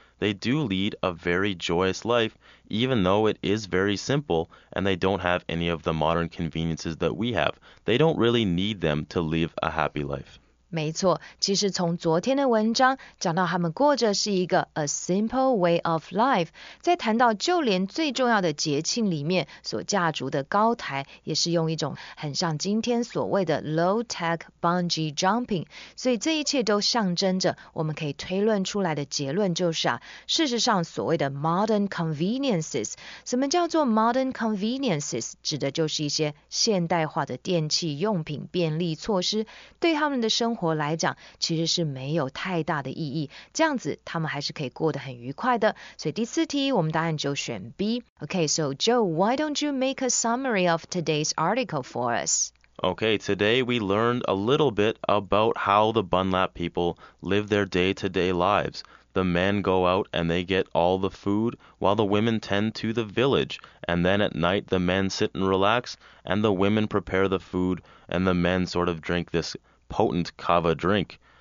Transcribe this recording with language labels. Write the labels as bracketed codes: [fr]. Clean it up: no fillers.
[en] They do lead a very joyous life, even though it is very simple and they don't have any of the modern conveniences that we have. They don't really need them to live a happy life. [zh] 没错，其实从昨天的文章讲到他们过着是一个 [en] a simple way of life， [zh] 在谈到就连最重要的节庆里面所架筑的高台，也是用一种很像今天所谓的 [en] low tech bungee jumping， [zh] 所以这一切都象征着我们可以推论出来的结论就是啊，事实上所谓的 modern conveniences， 什么叫做 modern conveniences？指的就是一些现代化的电器用品便利措施，对他们的生活来讲其实是没有太大的意义，这样子他们还是可以过得很愉快的，所以第四题我们答案就选 B。 [en] Okay, so Joe, why don't you make a summary of today's article for us? Okay, today we learned a little bit about how the Bunlap people live their day-to-day lives. The men go out and they get all the food while the women tend to the village, and then at night the men sit and relax and the women prepare the food and the men sort of drink thispotent kava drink.